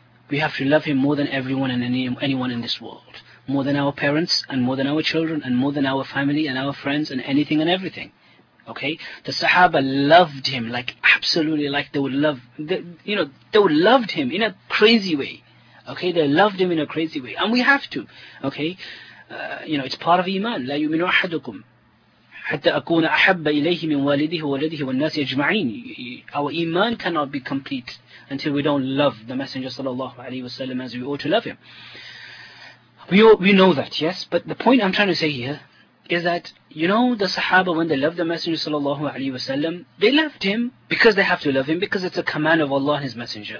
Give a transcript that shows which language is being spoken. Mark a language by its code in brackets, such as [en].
[en] We have to love him more than everyone and anyone in this world. More than our parents and more than our children and more than our family and our friends and anything and everything. Okay, the Sahaba loved him like absolutely, like they would love, they loved him in a crazy way. Okay, they loved him in a crazy way, and we have to. Okay, it's part of iman. [ar] لا يؤمن أحدكم حتى أكون أحب إليه من والده وولده والناس أجمعين. [en] Our iman cannot be complete until we don't love the Messenger sallallahu alaihi wasallam as we ought to love him. We know that, yes, but the point I'm trying to say here is that, you know, the Sahaba, when they loved the Messenger sallallahu alaihi wasallam, they loved him because they have to love him, because it's a command of Allah and his Messenger.